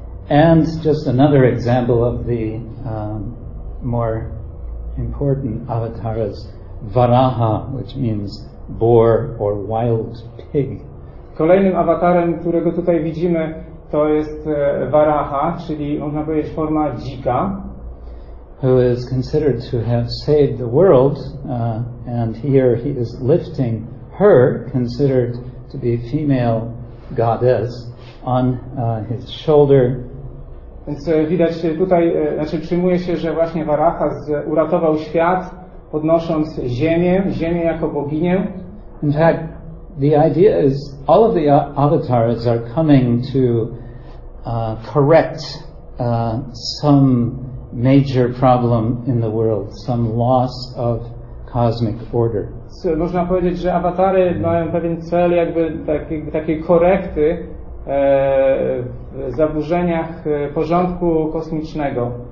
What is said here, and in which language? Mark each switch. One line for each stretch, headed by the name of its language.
English: And just another example of the more important avatars, Varaha, which means boar or wild pig.
Polish: Kolejnym awatarem, którego tutaj widzimy, to jest Varaha, czyli można powiedzieć forma dzika.
English: Who is considered to have saved the world, and here he is lifting her, considered to be female goddess, on his shoulder.
Polish: Więc widać tutaj, znaczy przyjmuje się, że właśnie Varaha uratował świat, podnosząc ziemię jako boginię.
English: In fact, the idea is all of the avatars are coming to correct some major problem in the world, some loss of cosmic order.
Polish: Można powiedzieć, że awatary mają pewien cel jakby takiej korekty w zaburzeniach porządku kosmicznego.